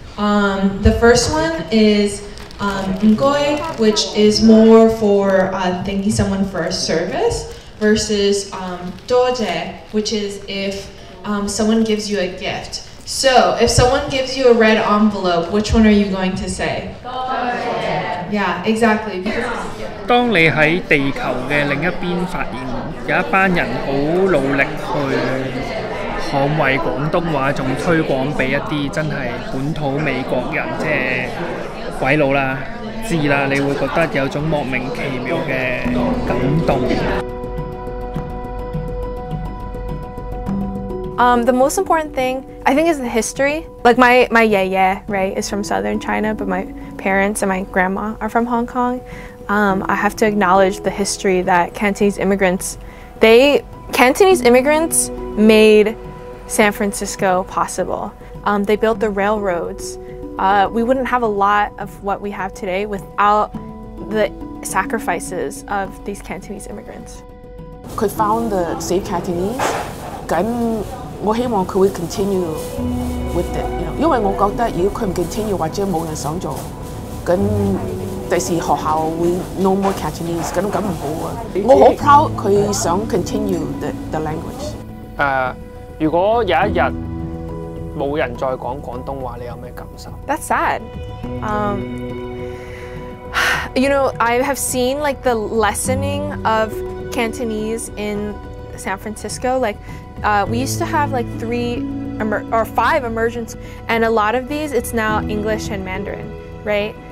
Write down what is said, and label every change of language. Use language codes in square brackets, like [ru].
[en] The first one is ngoi, which is more for thanking someone for a service, versus doje, which is if someone gives you a gift. So if someone gives you a red envelope, which one are you going to say? Doje. Yeah, exactly. [yue] 當你喺地球嘅另一邊發現有一班人好努力去捍衛廣東話，仲推廣俾一啲真係本土美國人，即係鬼佬啦、知啦，你會覺得有種莫名其妙嘅感動。 [en] The most important thing, I think, is the history. Like my yeye, right, is from southern China, but my parents and my grandma are from Hong Kong. I have to acknowledge the history that Cantonese immigrants made San Francisco possible. They built the railroads. We wouldn't have a lot of what we have today without the sacrifices of these Cantonese immigrants. He found the Save Cantonese. [yue] 咁我希望佢會 [en] continue [yue] with it， 因為我覺得如果佢唔 continue 或者冇人想做，咁第時學校會 [en] no more Cantonese， [yue] 咁唔好啊！我好 [en] proud [yue] 佢想 [en] continue the language。 [yue] 如果有一日冇人再講廣東話，你有咩感受 [en] ？That's sad. You know, I have seen like the lessening of Cantonese in San Francisco, like. We used to have like five immersions, and a lot of these, it's now English and Mandarin, right?